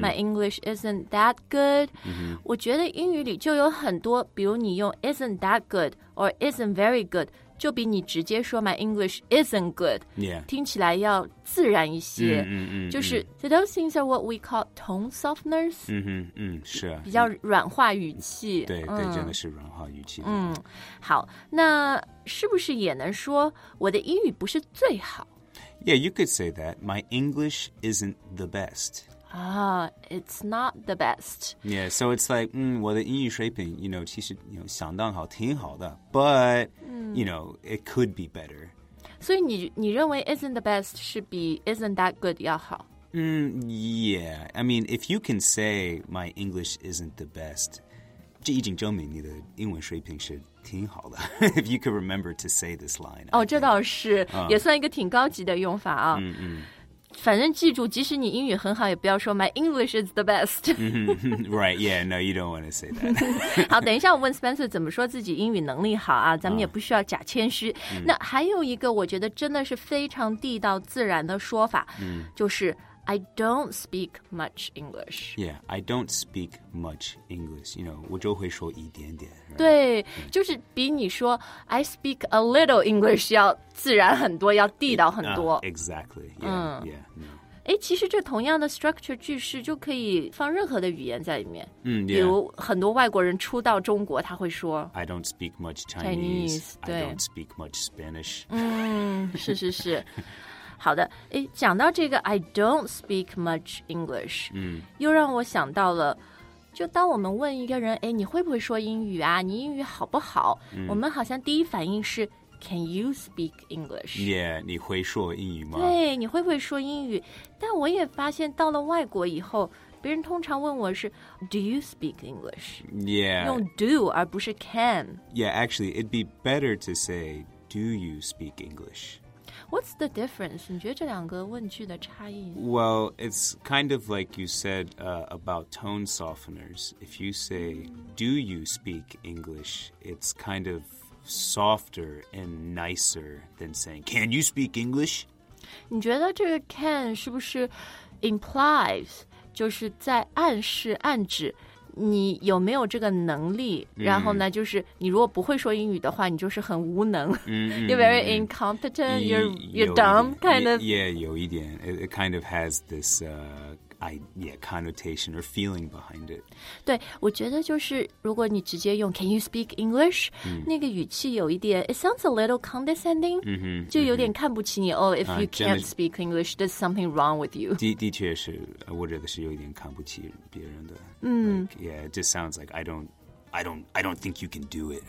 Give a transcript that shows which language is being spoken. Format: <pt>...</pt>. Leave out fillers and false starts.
<en>My English isn't that good、 mm-hmm.</en> <zh>我觉得英语里就有很多比如你用</zh> <en>isn't that good or isn't very good</en> <zh>就比你直接说</zh> <en>my English isn't good、 yeah.</en> <zh>听起来要自然一些、 mm-hmm, mm-hmm, 就是、mm-hmm.</zh> <en>So those things are what we call tone softeners、 mm-hmm, mm-hmm, 是啊</en> <zh>比较软化语气、嗯、对对真的是软化语气嗯，好那是不是也能说我的英语不是最好</zh> <en>Yeah, you could say that My English isn't the best it's not the best Yeah, so it's like、mm,</en> <zh>我的英语水平</zh> <en>you know, 其实 you know,</en> <zh>相当好挺好的</zh> <en>But、mm. you know, it could be better</en> <zh>所以 你认为</zh> <en>isn't the best</en> <zh>是比</zh> <en>isn't that good</en> <zh>要好、</zh> <en>mm, Yeah, I mean if you can say My English isn't the best</en> <zh>这已经证明你的英文水平是挺好的</zh> <en>If you could remember to say this line</en> <zh>哦、oh, 这倒是、嗯、也算一个挺高级的用法啊嗯嗯反正记住即使你英语很好也不要说</zh> <en>My English is the best Right, yeah, no, you don't want to say that</en> <zh>好等一下我问 Spencer 怎么说自己英语能力好啊咱们也不需要假谦虚、那还有一个我觉得真的是非常地道自然的说法、就是</zh> <en>I don't speak much English Yeah, I don't speak much English You know,</en> <zh>我就会说一点点、</zh> <en>right?</en> <zh>对、就是比你说</zh> <en>I speak a little English</en> <zh>要自然很多要地道很多</zh> <en>Exactly yeah, yeah,</en> <zh>诶其实这同样的 structure 句式就可以放任何的语言在里面、</zh> <en>mm, yeah.</en> <zh>比如很多外国人初到中国他会说</zh> <en>I don't speak much Chinese</en> <zh>对</zh> <en>I don't speak much Spanish</en> <zh>嗯是是是好的诶讲到这个</zh> <en>I don't speak much English、 mm.</en> <zh>又让我想到了就当我们问一个人诶你会不会说英语啊你英语好不好、mm. 我们好像第一反应是</zh> <en>Can you speak English?</en> <zh>Yeah, 你会说英语吗？对，你会不会说英语？但我也发现到了外国以后，别人通常问我是</zh> <en>Do you speak English? Yeah.</en> <zh>用 do 而不是 can.</zh> <en>Yeah, actually, it'd be better to say Do you speak English? What's the difference?</en> <zh>你觉得这两个问句的差异？</zh> <en>Well, it's kind of like you said、about tone softeners. If you say、mm. Do you speak English? It's kind of... softer and nicer than saying, can you speak English?</en> <zh>你觉得这个 can 是不是 implies, 就是在暗示暗指你有没有这个能力、mm. 然后呢就是你如果不会说英语的话你就是很无能、 mm-hmm.</zh> <en>You're very incompetent, you're dumb, kind of. Yeah,</en> <zh>有一点</zh> <en>it kind of has this, connotation or feeling behind it.</en> <zh>对我觉得就是如果你直接用</zh> <en>can you speak English?、 Mm.</en> <zh>那个语气有一点</zh> <en>it sounds a little condescending,、 mm-hmm,</en> <zh>就有点看不起你、</zh> <en>mm-hmm. Oh, if you can't speak English, there's something wrong with you.</en> <zh>的确是我觉得是有点看不起别人的。</zh> <en>Like, yeah, it just sounds like I don't think you can do it.</en>